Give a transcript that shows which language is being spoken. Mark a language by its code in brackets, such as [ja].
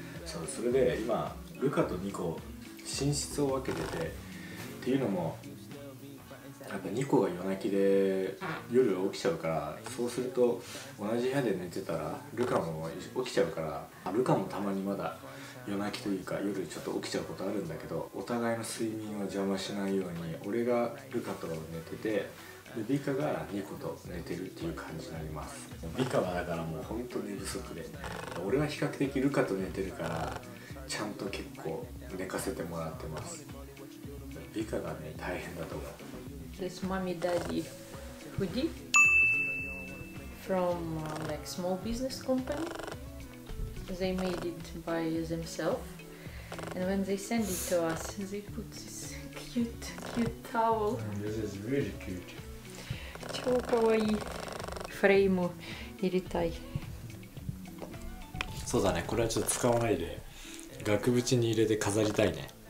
[ja] そう、それで今ルカとニコ寝室を分けてて、っていうのもやっぱニコが夜泣きで夜起きちゃうから、そうすると同じ部屋で寝てたらルカも起きちゃうから、ルカもたまにまだ夜泣きというか夜ちょっと起きちゃうことあるんだけど、お互いの睡眠を邪魔しないように俺がルカと寝てて、でビカがニコと寝てるっていう感じになります。ビカはだからもう本当寝不足で、俺は比較的ルカと寝てるからちゃんと結構寝かせてもらってます。ビカがね大変だと思う。 [en] This mommy daddy Fuji from like small business companyThey made it by themselves, and when they send it to us, they put this cute, cute towel. This is really cute. [ja] 超可愛いフレームを入れたい。そうだね、これはちょっと使わないで額縁に入れて飾りたいね。